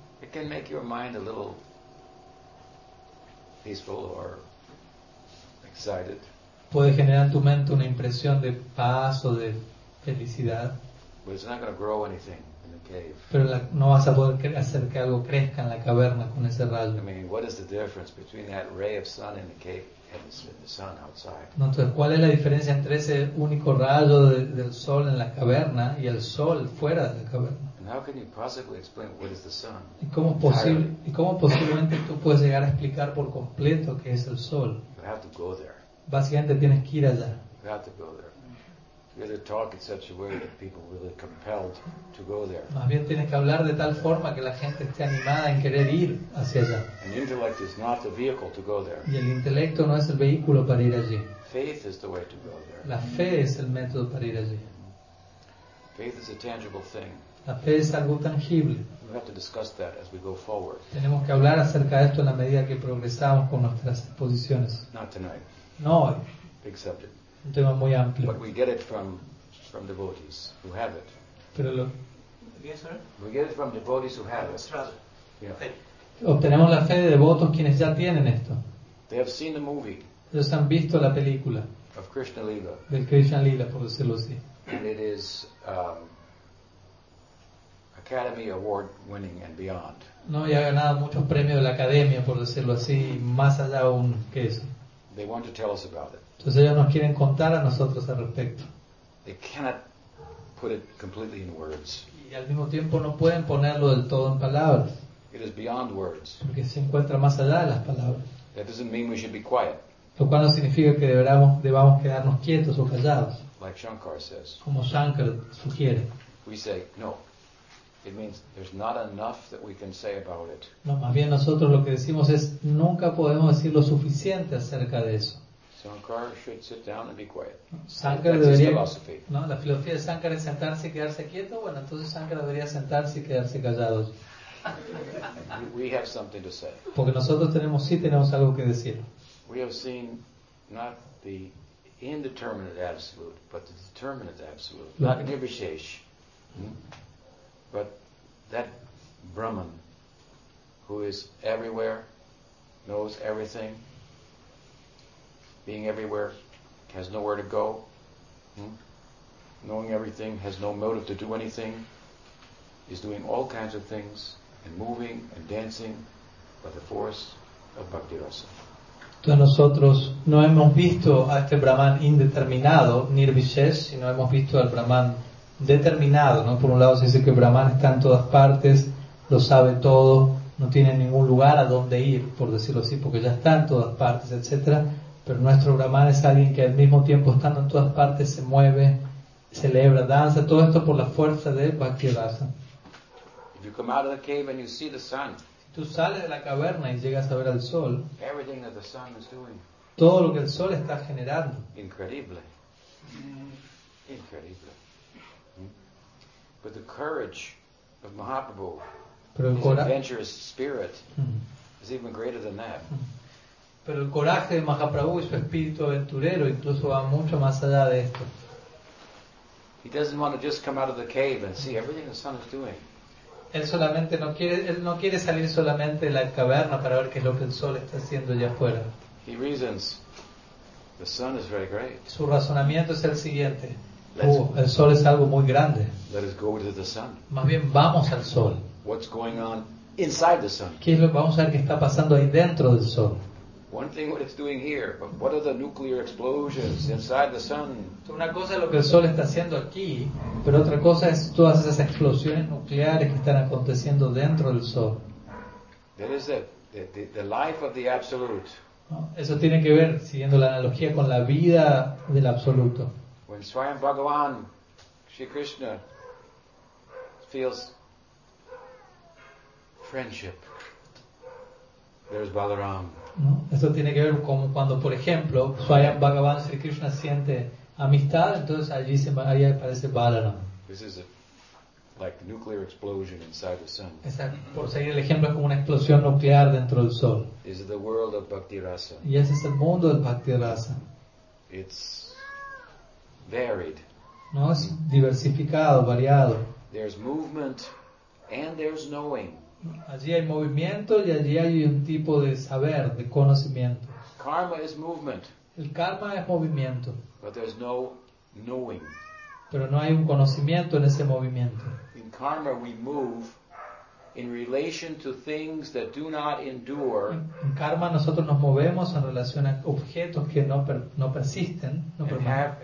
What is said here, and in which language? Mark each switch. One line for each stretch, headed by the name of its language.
English: it can make your mind a little peaceful or excited.
Spanish: Puede generar en tu mente una impresión de paz o de felicidad.
English: But it's not going to grow anything in the cave.
Spanish: Pero no vas a poder hacer que algo crezca en la caverna con ese rayo.
English: I mean, what is the difference between that ray of sun in the cave and the sun outside?
Spanish: Entonces, ¿cuál es la diferencia entre ese único rayo del sol en la caverna y el sol fuera de la caverna?
English: And how can you possibly explain what is the sun?
Spanish: ¿Y cómo posiblemente tú puedes llegar a explicar por completo qué es el sol?
English: You have to go there.
Spanish: Básicamente tienes que ir allá.
English: You have to go there. You have to talk in such a way that people really compelled to go there.
Spanish: Más bien tienes que hablar de tal forma que la gente esté animada en querer ir hacia allá.
English: And intellect is not the vehicle to go there.
Spanish: Y el intelecto no es el vehículo para ir allí.
English: Faith is the way to go there.
Spanish: La fe es el método para ir allí.
English: Faith is a tangible thing.
Spanish: La fe es algo tangible.
English: We have to discuss that as we go forward.
Spanish: Tenemos que hablar acerca de esto en la medida que progresamos con nuestras exposiciones.
English: Not tonight.
Spanish: No hoy.
English: Big subject.
Spanish: Un tema muy amplio.
English: But we get it from devotees who have it.
Spanish: Pero lo.
English: Yes, sir. We get it from devotees who have it. Yeah.
Spanish: Obtenemos la fe de devotos quienes ya tienen esto.
English: They have seen the movie.
Spanish: Ellos han visto la película.
English: Of Krishna Lila.
Spanish: Del Krishna Lila, por decirlo así.
English: And it is Academy Award winning and beyond.
Spanish: No, y ha ganado muchos premios de la Academia, por decirlo así, más allá aún que eso.
English: They want to tell us about it.
Spanish: Entonces ellos nos quieren contar a nosotros al respecto.
English: They cannot put it completely in words.
Spanish: Y al mismo tiempo no pueden ponerlo del todo en palabras.
English: It is beyond words.
Spanish: Porque se encuentra más allá de las palabras.
English: That doesn't mean we should be quiet.
Spanish: Lo cual no significa que debamos quedarnos quietos o callados.
English: Like Shankar says.
Spanish: Como Shankar sugiere.
English: We say no. It means there's not enough that we can say about it.
Spanish: No, más bien nosotros lo que decimos es nunca podemos decir lo suficiente acerca de eso.
English: Sankara should sit down and be quiet.
Spanish: Sankara debería,
English: that's his philosophy.
Spanish: No, la filosofía de Sankara es sentarse y quedarse quieto. Bueno, entonces Sankara debería sentarse y quedarse callados.
English: We have something to say.
Spanish: Porque nosotros tenemos, sí tenemos algo que decir.
English: We have seen not the indeterminate absolute, but the determinate absolute, Nirvishesh. But that Brahman, who is everywhere, knows everything, being everywhere, has nowhere to go, knowing everything, has no motive to do anything, is doing all kinds of things, and moving and dancing by the force of Bhakti-rasa.
Spanish: Entonces nosotros no hemos visto a este Brahman indeterminado, Nirvishesh, sino hemos visto al Brahman determinado, ¿no? Por un lado se dice que Brahman está en todas partes, lo sabe todo, no tiene ningún lugar a donde ir, por decirlo así, porque ya está en todas partes, etc. Pero nuestro Brahman es alguien que al mismo tiempo estando en todas partes se mueve, celebra, danza, todo esto por la fuerza de Bhakti-rasa.
English: If you come out of the cave and you see the sun,
Spanish: tú sales de la caverna y llegas a ver al sol,
English: everything that the sun is doing,
Spanish: todo lo que el sol está generando, increíble, increíble.
English: But the courage of Mahaprabhu,
Spanish: pero el
English: adventurous spirit, is even greater than that.
Spanish: Pero el coraje de Mahaprabhu y su espíritu aventurero incluso va mucho más allá de esto.
English: He doesn't want to just come out of the cave and see everything the sun is doing.
Spanish: Él no quiere salir solamente de la caverna para ver qué es lo que el sol está haciendo allá afuera.
English: He reasons, the sun is very great.
Spanish: Su razonamiento es el siguiente: el sol es algo muy grande.
English: Let us go to the sun.
Spanish: Más bien vamos al sol.
English: What's going on inside the sun?
Spanish: ¿Qué es lo que vamos a ver que está pasando ahí dentro del sol?
English: One thing what it's doing here, but what are the nuclear explosions inside the sun?
Spanish: Una cosa es lo que el sol está haciendo aquí, pero otra cosa es todas esas explosiones nucleares que están aconteciendo dentro del sol.
English: That is the life of the absolute.
Spanish: Eso tiene que ver, siguiendo la analogía, con la vida del absoluto.
English: When Swayam Bhagavan, Sri Krishna, feels friendship, there's Balaram.
Spanish: ¿No? Eso tiene que ver con cuando, por ejemplo, Swayam Bhagavan Sri Krishna siente amistad, entonces allí se aparece Balaram.
English: This is a, like nuclear explosion inside the sun.
Spanish: Esa, por seguir el ejemplo, es como una explosión nuclear dentro del sol.
English: Is the world of Bhakti-rasa.
Spanish: Y ese es el mundo del Bhakti-rasa.
English: It's varied.
Spanish: ¿No? Es diversificado, variado.
English: There's movement and there's knowing.
Spanish: Allí hay movimiento y allí hay un tipo de saber, de conocimiento.
English: Karma is movement.
Spanish: El karma es movimiento.
English: But there's no knowing.
Spanish: Pero no hay un conocimiento en ese movimiento.
English: In karma we move in relation to things that do not endure.
Spanish: En karma nosotros nos movemos en relación a objetos que no persisten, no permanecen.